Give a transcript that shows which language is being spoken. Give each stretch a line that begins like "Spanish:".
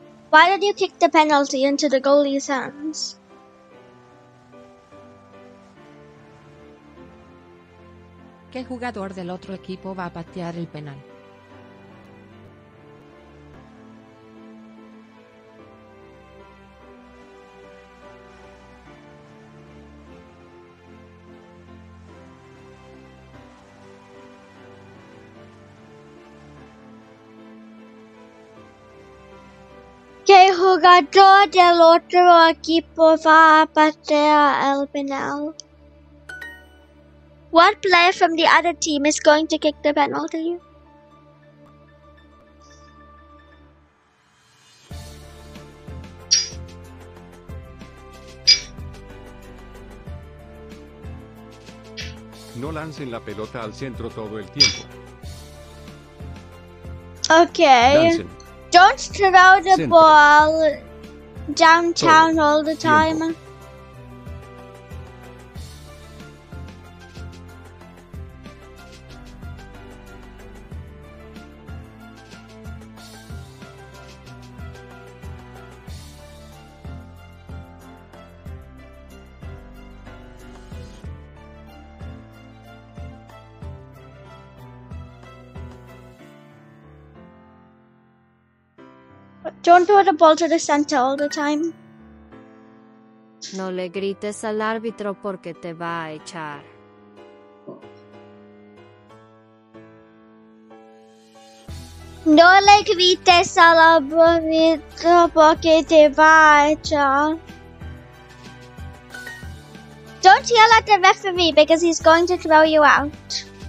English: Why did you kick the penalty into the goalie's hands?
Spanish: ¿Qué jugador del otro equipo va a patear el penal? ¿Qué jugador del otro equipo va a patear el penal?
English: What player from the other team is going to kick the penalty?
Spanish: No lancen la pelota al centro todo el tiempo.
English: Okay.
Spanish: Lancen.
English: Don't throw the ball downtown todo all the time. Tiempo. Don't throw the ball to the center all the time.
Spanish: No le grites al árbitro porque te va a echar. No le grites al árbitro porque te va a echar.
English: Don't yell at the referee because he's going to throw you out.